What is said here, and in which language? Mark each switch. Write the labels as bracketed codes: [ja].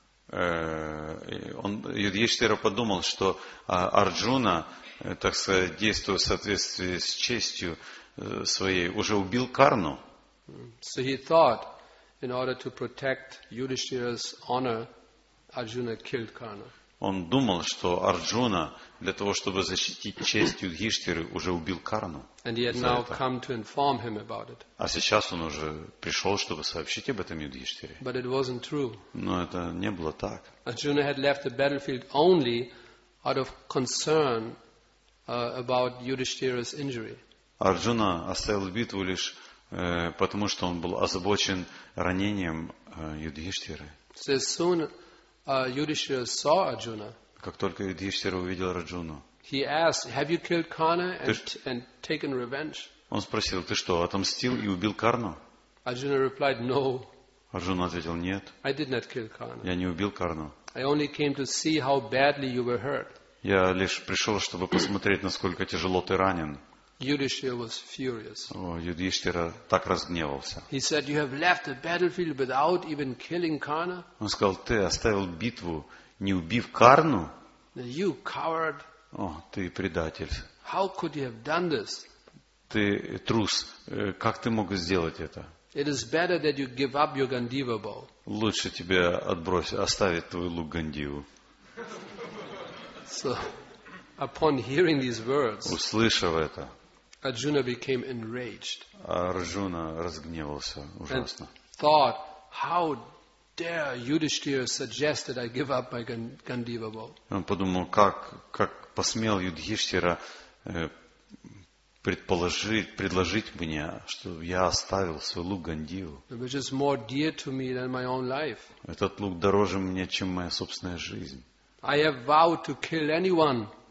[ru] Yudhishthira подумал, что Арджуна, так сказать, действуя в соответствии с честью своей, уже убил Карну. [en] So he thought, in order to protect Yudhishthira's honor, Arjuna killed Karna. [ru] Он думал, что Арджуна для того, чтобы защитить честь Юдхиштхиры, уже убил Карну. [en] And he had now come to inform him about it. [ru] А сейчас он уже пришел, чтобы сообщить об этом Юдхиштхире. [en] But it wasn't true. [ru] Но это не было так. [en] Arjuna had left the battlefield only out of concern about Yudhishthira's injury. [ru] Арджуна оставил битву лишь потому, что он был озабочен ранением Юдхиштхиры. [en] So soon Yudhishthira saw Arjuna. [ru] Как только Юдхиштхира увидел Арджуну, [en] he asked, "Have you killed Karna and taken revenge?" [ru] Он спросил, "Ты что, отомстил и убил Карну?" [en] Arjuna replied, "No." [ru] Арджуна ответил, "Нет." [en] I did not kill Karna. [ru] Я не убил Карну. [en] I only came to see how badly you were hurt. [ru] Я лишь пришел, чтобы посмотреть, насколько тяжело ты ранен. [en] Yudhishthira was furious. [ru] О, Юдхиштхира так разгневался. [en] He said, "You have left the battlefield without even killing Karna." [ru] Он сказал, "Ты оставил битву, не убив Карну." [en] You coward. [ru] О, ты предатель. [en] How could you have done this? [ru] Ты трус. Как ты мог сделать это? [en] It is better that you give up your Gandiva bowl. [ru] Лучше тебе отбросить, оставить твой лук Гандиву. [en] So, upon hearing these words, [ru] услышав это, [en] Arjuna became enraged. [ru] Арджуна разгневался ужасно. [en] And thought, how dare Yudhishthira suggest that I give up my Gandiva bowl? [ru] Он подумал, как посмел Юдхиштхира предложить мне, что я оставил свой лук Гандиву. Этот лук дороже мне, чем моя собственная жизнь. [en] I have vowed to kill anyone.